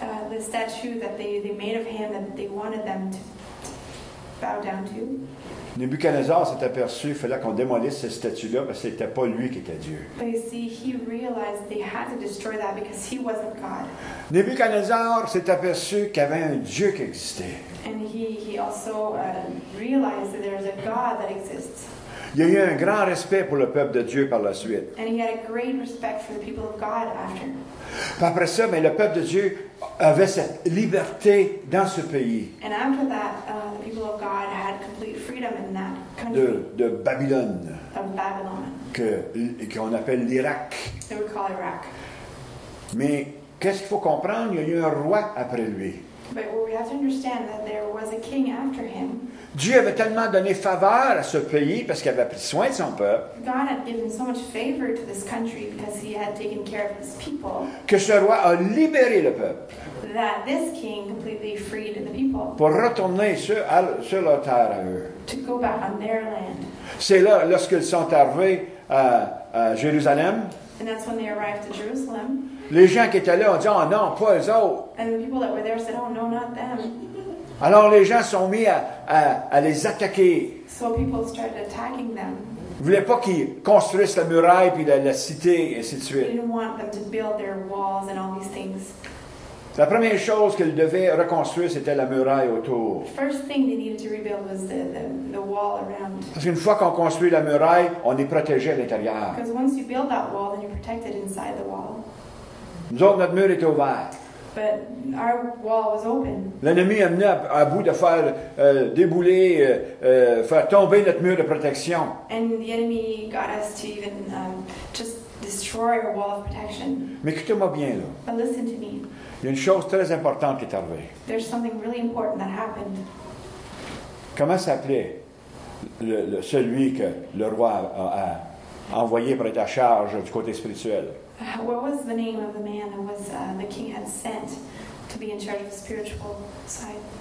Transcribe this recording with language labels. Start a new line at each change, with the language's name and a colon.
English: The statue that they made of him that they wanted them to bow down to.
French: Nebuchadnezzar s'est aperçu qu'il fallait qu'on démolisse cette statue-là parce que ce n'était pas lui qui était Dieu.
English: But you see, he realized they had to destroy that because he wasn't God.
French: Nebuchadnezzar s'est aperçu qu'il y avait un Dieu qui existait.
English: And he also realized that there's a God that exists.
French: Il y a eu un grand respect pour le peuple de Dieu par la suite.
English: And he had a great respect for the people of God after.
French: Puis après ça, mais le peuple de Dieu avait cette liberté dans ce pays.
English: And after that, the people of God had complete freedom in that country.
French: De Babylone.
English: Of Babylon.
French: Qu'on appelle l'Irak.
English: They would call Iraq.
French: Mais qu'est-ce qu'il faut comprendre? Il y a eu un roi après lui.
English: But we have to understand that there was a king after him.
French: Dieu avait tellement donné faveur à ce pays parce qu'il avait pris soin de son peuple.
English: God had given so much favor to this country because he had taken care of his people.
French: Que ce roi a libéré le peuple.
English: That this king completely freed the people.
French: Pour retourner sur leur terre à eux.
English: To go back on their land.
French: C'est là, lorsqu'ils sont arrivés à Jérusalem.
English: And that's when they arrived to Jerusalem.
French: Les gens qui étaient là ont dit, oh non, pas eux autres.
English: And the people that were there said, oh no, not them.
French: Alors les gens sont mis à les attaquer.
English: So people started attacking them.
French: Ils ne voulaient pas qu'ils construisent la muraille puis la cité, et ainsi de suite.
English: They didn't want them to build their walls and all these things.
French: La première chose qu'ils devaient reconstruire, c'était la muraille autour.
English: First thing they needed to rebuild was the wall around.
French: Parce qu'une fois qu'on construit la muraille, on est protégé à l'intérieur.
English: Because once you build that wall, then you're protected inside the wall.
French: Nous autres, notre mur était ouvert.
English: But our wall was open.
French: L'ennemi a mené à bout de faire débouler, faire tomber notre mur de protection.
English: And the enemy got us to even just destroy our wall of protection.
French: Mais écoutez-moi bien là.
English: But listen to me.
French: Il y a une chose très importante qui est arrivée.
English: There's something really important that happened.
French: Comment s'appelait celui que le roi a envoyé pour être à charge du côté spirituel?
English: What was the name of the man that was the king had sent to be in charge of the spiritual side?